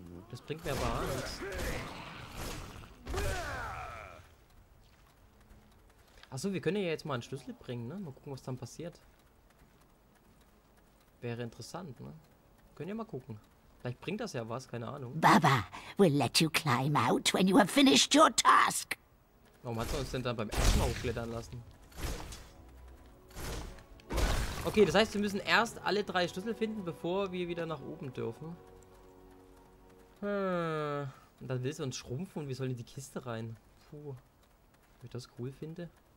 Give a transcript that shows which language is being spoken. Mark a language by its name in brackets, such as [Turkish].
[German] Das bringt mir aber nichts. Achso, wir können ja jetzt mal einen Schlüssel bringen, ne? Mal gucken, was dann passiert. Wäre interessant, ne? Können ja mal gucken. Vielleicht bringt das ja was, keine Ahnung. [English] Baba will let you climb out when you have finished your task. [German] Warum hat sie uns denn dann beim ersten Mal hochklettern lassen? Okay, das heißt, wir müssen erst alle drei Schlüssel finden, bevor wir wieder nach oben dürfen. Und dann will sie uns schrumpfen und wir sollen in die Kiste rein. Puh. Ob ich das cool finde?